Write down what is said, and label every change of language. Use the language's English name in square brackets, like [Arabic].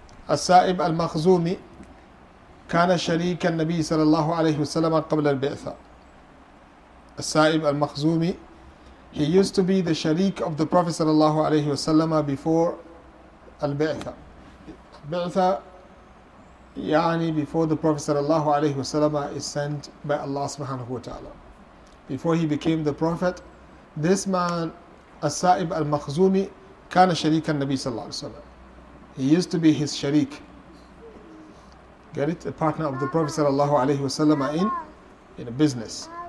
[Arabic] السائب المخزومي كان شريك النبي صلى الله عليه وسلم قبل البعثة. [English] السائب المخزومي, he used to be the sharik of the Prophet صلى الله عليه وسلم before البعثة. [Arabic] البعثة يعني [English] before the Prophet صلى الله عليه وسلم is sent by Allah سبحانه وتعالى. Before he became the Prophet, this man, As-Sa'ib al-Makhzumi, [Arabic] kana sharik al-Nabi [English] sallallahu alayhi wa sallam. He used to be his sharik. Get it? A partner of the Prophet sallallahu alayhi wa sallam in a business.